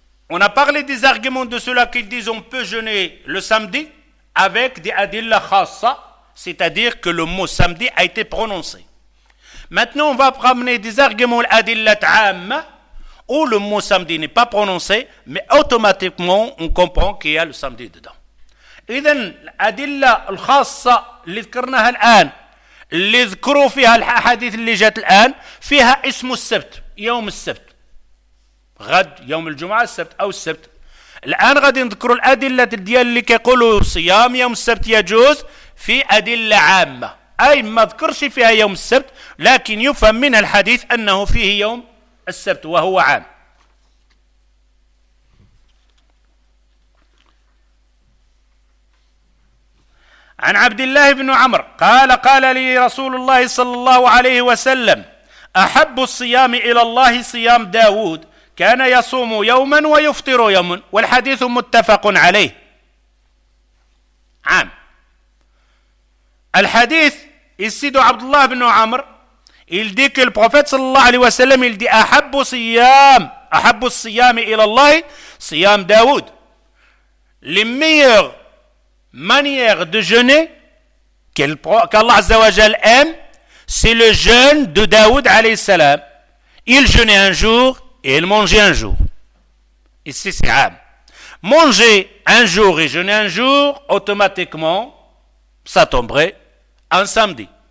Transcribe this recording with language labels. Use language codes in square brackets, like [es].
[fr] On a parlé des arguments de ceux-là qui disent on peut jeûner le samedi avec des adillah khassa, c'est-à-dire que le mot samedi a été prononcé. Maintenant, on va ramener des arguments l'adillat عامة où le mot samedi n'est pas prononcé, mais automatiquement on comprend qu'il y a le samedi dedans. [ar] إذن الأدلة الخاصة اللي ذكرناها الآن اللي ذكروا فيها الحديث اللي جات الآن فيها اسم السبت يوم السبت غد يوم الجمعة السبت أو السبت. الآن غادي نذكروا الأدلة ديال اللي كيقولوا صيام يوم السبت يجوز في أدلة عامة أي ما ذكرش فيها يوم السبت لكن يفهم من الحديث أنه فيه يوم السبت وهو عام. عن عبد الله بن عمر قال قال لي رسول الله صلى الله عليه وسلم أحب الصيام إلى الله صيام داود كان يصوم يوما ويفطر يوما والحديث متفق عليه. عام الحديث السيد عبد الله بن عمر [fr] il dit que le prophète [ar] صلى الله عليه وسلم [fr] il dit [ar] أحب الصيام إلى الله صيام داود. [fr] للميغ manière de jeûner qu'Allah Azza wa Jal aime, c'est le jeûne de Daoud alayhi salam. Il jeûnait un jour et il mangeait un jour. Ici c'est âme. Manger un jour et jeûner un jour, automatiquement, ça tomberait un samedi.